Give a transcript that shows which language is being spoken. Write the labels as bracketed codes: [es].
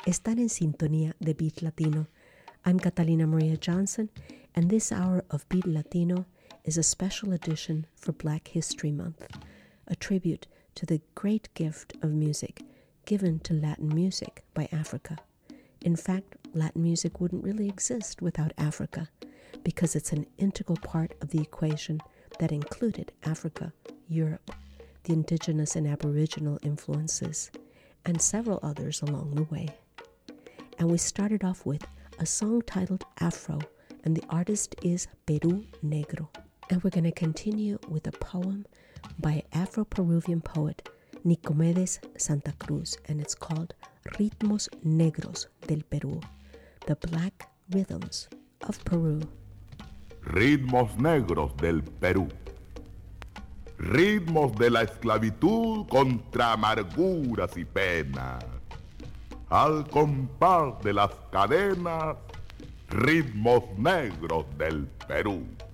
[es] Están en sintonía de Beat Latino. [en] I'm Catalina Maria Johnson, and this hour of Beat Latino is a special edition for Black History Month, a tribute to the great gift of music given to Latin music by Africa. In fact, Latin music wouldn't really exist without Africa, because it's an integral part of the equation that included Africa, Europe, the indigenous and aboriginal influences, and several others along the way. And we started off with a song titled Afro, and the artist is Peru Negro. And we're going to continue with a poem by Afro-Peruvian poet Nicomedes Santa Cruz, and it's called Ritmos Negros del Perú, the Black Rhythms of Peru. [es] Ritmos Negros del Perú. Ritmos de la esclavitud contra amarguras y penas. Al compás de las cadenas, ritmos negros del Perú.